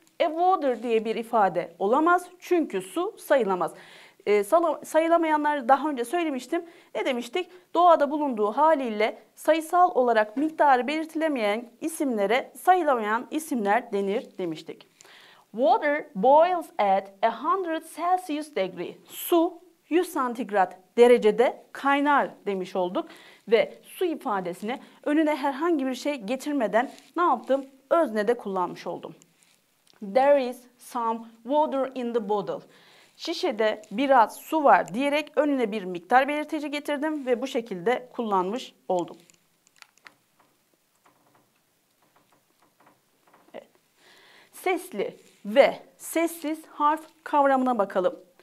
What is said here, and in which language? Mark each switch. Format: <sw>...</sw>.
<tr>A water diye bir ifade olamaz çünkü su sayılamaz. Sayılamayanları daha önce söylemiştim. Ne demiştik? Doğada bulunduğu haliyle sayısal olarak miktarı belirtilemeyen isimlere sayılamayan isimler denir demiştik.</tr> <en>Water boils at 100 Celsius degree.</en> <tr>Su 100 santigrat derecede kaynar demiş olduk. Ve su ifadesini önüne herhangi bir şey getirmeden ne yaptım? Öznede kullanmış oldum.</tr> <en>There is some water in the bottle.</en> <tr>Şişede biraz su var diyerek önüne bir miktar belirteci getirdim ve bu şekilde kullanmış oldum. Evet. Sesli ve sessiz harf kavramına bakalım.</tr>